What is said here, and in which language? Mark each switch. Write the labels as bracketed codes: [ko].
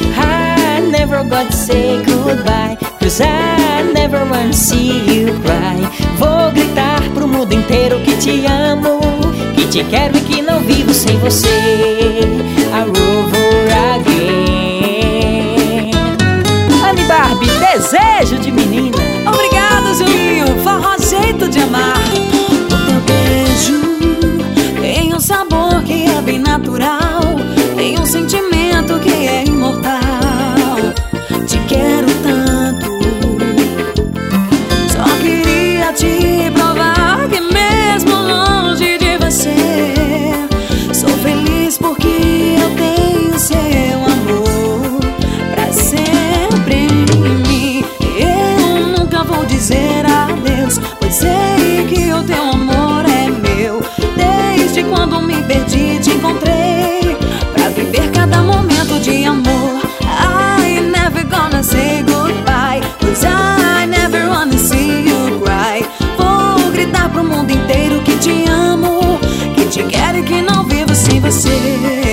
[en] I never gonna say goodbye, cause I never wanna see you cry. [pt] Vou gritar pro mundo inteiro que te amo, que te quero e que não vivo sem você. [en] I'll over again. [pt] Anne Barbie, desejo de menina. Obrigada, Julinho. Forró jeito de amar. O teu beijo tem um sabor que é bem natural, tem um sentimento que é imortal. Te quero tanto, só queria te provar que mesmo longe de você sou feliz porque eu tenho seu amor pra sempre em mim. Eu nunca vou dizer adeus, pois sei que o teu amor é meu. Desde quando me perdi te encontrei pra viver cada momento de amor. [en] I never gonna say goodbye, cause I never wanna see you cry. [pt] Vou gritar pro mundo inteiro que te amo, que te quero e que não vivo sem você.